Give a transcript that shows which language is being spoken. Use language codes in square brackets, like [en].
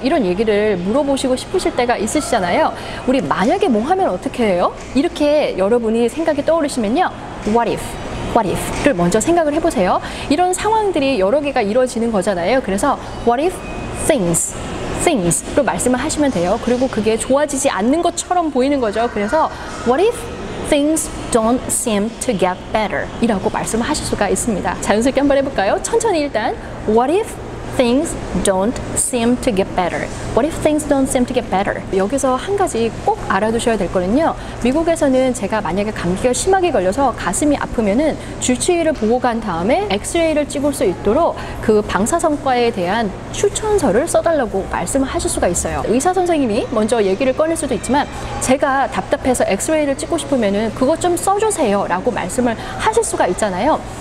[ko] 이런 얘기를 물어보시고 싶으실 때가 있으시잖아요. 우리 만약에 뭐 하면 어떡해요? 이렇게 여러분이 생각이 떠오르시면요. [en] What if? What if?를 [ko] 먼저 생각을 해보세요. 이런 상황들이 여러 개가 이루어지는 거잖아요. 그래서 [en] What if things? [ko] things로 말씀을 하시면 돼요. 그리고 그게 좋아지지 않는 것처럼 보이는 거죠. 그래서 [en] What if things don't seem to get better? [ko] 이라고 말씀을 하실 수가 있습니다. 자연스럽게 한번 해볼까요? 천천히 일단 [en] What if things don't seem to get better? What if things don't seem to get better? [ko] 여기서 한 가지 꼭 알아두셔야 될 거는요. 미국에서는 제가 만약에 감기가 심하게 걸려서 가슴이 아프면은 주치의를 보고 간 다음에 엑스레이를 찍을 수 있도록 그 방사선과에 대한 추천서를 써달라고 말씀을 하실 수가 있어요. 의사 선생님이 먼저 얘기를 꺼낼 수도 있지만 제가 답답해서 엑스레이를 찍고 싶으면은 그거 좀 써주세요 라고 말씀을 하실 수가 있잖아요.